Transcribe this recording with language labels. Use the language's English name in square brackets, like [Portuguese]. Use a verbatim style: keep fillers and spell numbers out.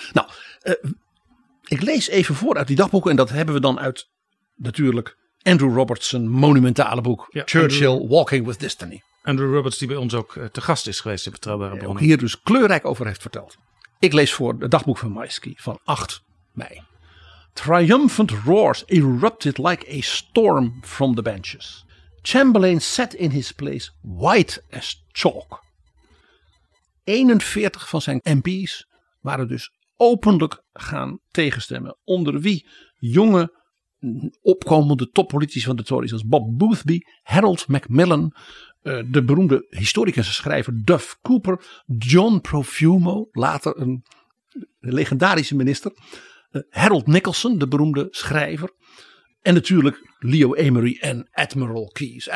[Dutch] Nou, uh, ik lees even voor uit die dagboeken en dat hebben we dan uit natuurlijk Andrew Robertson monumentale boek. Ja, Churchill, Andrew, Walking with Destiny. Andrew Roberts, die bij ons ook uh, te gast is geweest in Betrouwbare Bronnen. Hier dus kleurrijk over heeft verteld. Ik lees voor het dagboek van Maïski van acht mei. [English] Triumphant roars erupted like a storm from the benches. Chamberlain sat in his place white as chalk. [Dutch] eenenveertig van zijn M P's waren dus openlijk gaan tegenstemmen. Onder wie jonge opkomende toppolitici van de Tories als Bob Boothby, Harold Macmillan, de beroemde historicus en schrijver Duff Cooper, John Profumo, later een legendarische minister, Harold Nicholson, de beroemde schrijver, en natuurlijk Leo Amery en Admiral Keyes.